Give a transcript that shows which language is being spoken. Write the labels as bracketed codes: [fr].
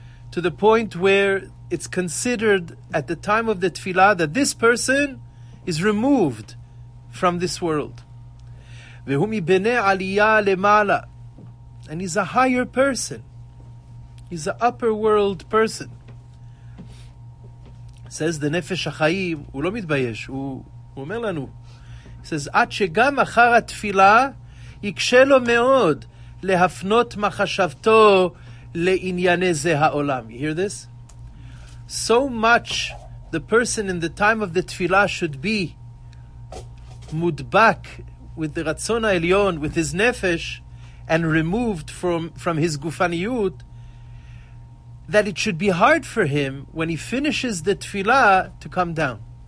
[en] To the point where it's considered at the time of the tefillah that this person is removed from this world. [he] Ve'hu mibnei aliyah lemala. [en] And he's a higher person. He's an upper world person. [he] Says the Nefesh HaChaim, הוא לא מתבייש, הוא אומר לנו, says, עד שגם אחר התפילה, יקשה לו מאוד להפנות מחשבתו לענייני זה העולם. [en] You hear this? So much the person in the time of the tefillah should be mudbak with the Ratzon HaElyon, with his nefesh, and removed from his gufaniyut, that it should be hard for him when he finishes the tefillah to come down.